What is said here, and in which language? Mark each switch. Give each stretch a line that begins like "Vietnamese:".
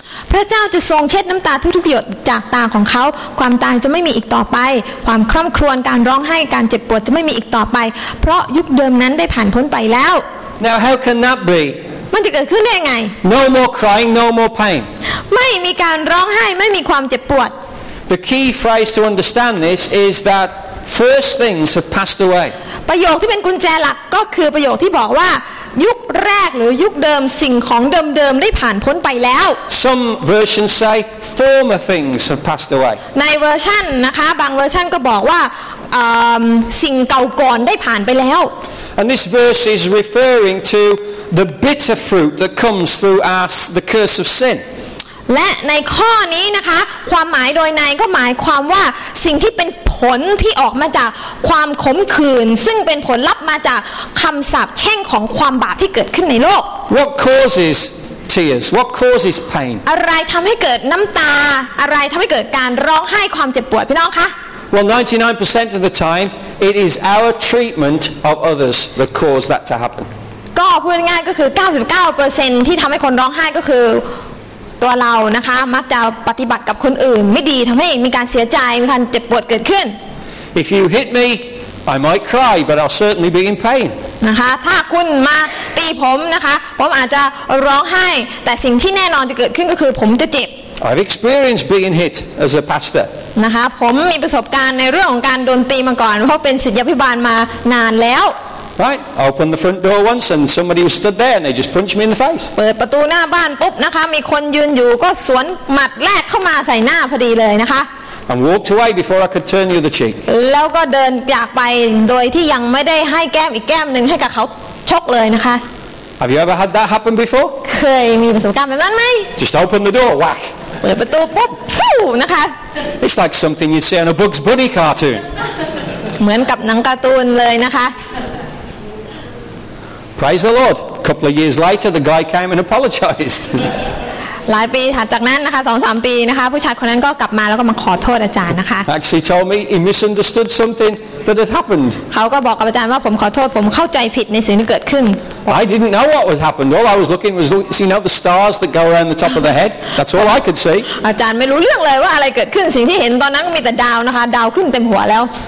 Thai: พระเจ้าจะทรงเช็ดน้ำตาทุกๆหยดจากตาของเขาความตายจะไม่มีอีกต่อไปความคร่ำครวญการร้องไห้การเจ็บปวดจะไม่มีอีกต่อไปเพราะยุคเดิมนั้นได้ผ่านพ้นไปแล้ว
English: Now how can that be
Thai: มันจะเกิดขึ้นได้ยังไง
English: No more crying no more pain
Thai: ไม่มีการร้องไห้ไม่มีความเจ็บปวด
English: The key phrase to understand this is that first things have passed away
Thai: ประโยคที่เป็นกุญแจหลักก็คือประโยคที่บอกว่ายุค คแรกหรือยุคเดิมสิ่งของเดิมๆได้ผ่านพ้นไปแล้ว
English: Some versions say former things have passed away
Thai: ในเวอร์ชันนะคะบางเวอร์ชันก็บอกว่าสิ่งเก่าก่อนได้ผ่านไปแล้ว
English: And this verse is referring to the bitter fruit that comes through the curse of sin
Thai: และในข้อนี้นะคะความหมายโดยในก็หมายความว่าสิ่งที่เป็นผลที่ออกมาจากความขมขื่นซึ่งเป็นผลลัพธ์มาจากคำสาปแช่งของความบาปที่เกิดขึ้นในโลก
English: What causes tears? What causes pain?
Thai: อะไรทำให้เกิดน้ำตาอะไรทำให้เกิดการร้องไห้ความเจ็บปวดพี่น้องคะ
English: Well 99% of the time it is our treatment of others that cause that to happen
Thai: ก็พูดง่ายก็คือ 99% ที่ทำให้คนร้องไห้ก็คือตัวเรานะคะมักจะปฏิบัติกับคนอื่นไม่ดีทำให้มีการเสียใจมีการเจ็บปวดเกิดขึ้น
English: If you hit me I might cry but I'll certainly be in pain
Thai: นะคะถ้าคุณมาตีผมนะคะผมอาจจะร้องไห้แต่สิ่งที่แน่นอนจะเกิดขึ้นก็คือผมจะเจ็บ
English: I've experienced being hit as a pastor
Thai: นะคะผมมีประสบการณ์ในเรื่องของการโดนตีมาก่อนเพราะเป็นศิษยาภิบาลมานานแล้ว
English: Right. I opened the front door once, and somebody was stood there, and they just punched me in the face.
Thai: เปิดประตูหน้าบ้านปุ๊บนะคะมีคนยืนอยู่ก็สวนหมัดแรกเข้ามาใส่หน้าพอดีเลยนะคะ
English: And walked away before I could turn the other cheek.
Thai: แล้วก็เดินจากไปโดยที่ยังไม่ได้ให้แก้มอีกแก้มนึงให้กับเขาชกเลยนะคะ
English: Have you ever had that happen before?
Thai: เคยมีประสบการณ์แบบนั้นไหม
English: Just open the door, whack.
Thai: เปิดประตูปุ๊บฟู่นะคะ
English: It's like something you'd see on a Bugs Bunny cartoon.
Thai: เหมือนกับหนังการ์ตูนเลยนะคะ
English: Praise the Lord. A couple of years later, the guy came and apologized.
Thai: หลายปีหลังจากนั้นนะคะ 2-3 ปีนะคะผู้ชายคนนั้นก็กลับมาแล้วก็มาขอโทษอาจารย์นะคะ
English: Actually told me he misunderstood something that had happened.
Thai: เขาก็บอกกับอาจารย์ว่าผมขอโทษผมเข้าใจผิดในสิ่งที่เกิดขึ้น
English: I didn't know what was happened. All I was looking was seeing out the stars that go around the top of the head. That's all I could see.
Thai: อาจารย์ไม่รู้เรื่องเลยว่าอะไรเกิดขึ้นสิ่งที่เห็นตอนนั้นมีแต่ดาวนะคะดาวขึ้นเต็มหัวแล้ว